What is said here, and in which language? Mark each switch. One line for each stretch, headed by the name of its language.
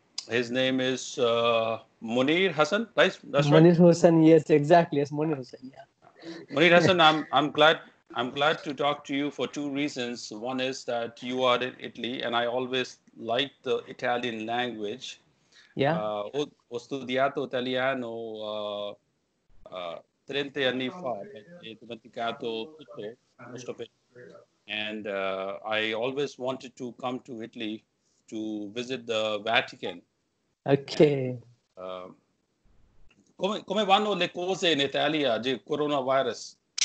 English: His name is Munir Hassan. That's Munir right. Munir Hassan. Yes, exactly. Yes, Munir Hassan. Yeah. Munir Hassan, I'm glad to talk to you for two reasons. One is that you are in Italy, and I always like the Italian language. Yeah.
Italian: Ho studiato italiano 30 anni fa, e dimenticato tutto,
English: most of it. And I always wanted to come to Italy to visit the Vatican. Okay.
Italian: Come vanno le cose in Italia di coronavirus?